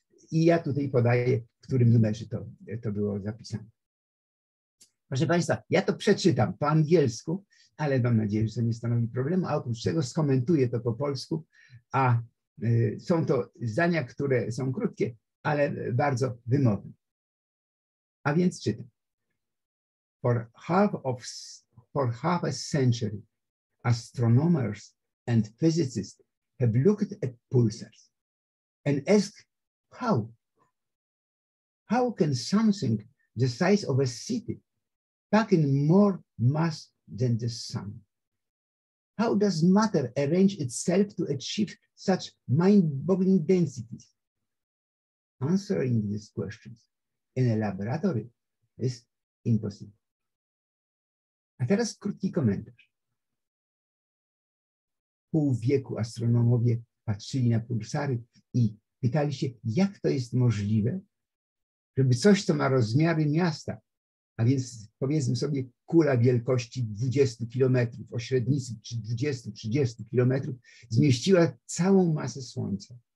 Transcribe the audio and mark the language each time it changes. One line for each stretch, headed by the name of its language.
Polish: I ja tutaj podaję, w którym numerze to było zapisane. Proszę Państwa, ja to przeczytam po angielsku, ale mam nadzieję, że to nie stanowi problemu, a oprócz tego skomentuję to po polsku, a są to zdania, które są krótkie, ale bardzo wymowne. A więc czytam.
English: For half a century, astronomers and physicists have looked at pulsars and asked how. How can something the size of a city pack in more mass than the sun? How does matter arrange itself to achieve such mind-boggling densities? Answering these questions in a laboratory is impossible.
Polish: A teraz krótki komentarz. Pół wieku astronomowie patrzyli na pulsary i pytali się, jak to jest możliwe, żeby coś, co ma rozmiary miasta, a więc powiedzmy sobie kula wielkości 20 kilometrów, o średnicy 20-30 kilometrów, zmieściła całą masę Słońca.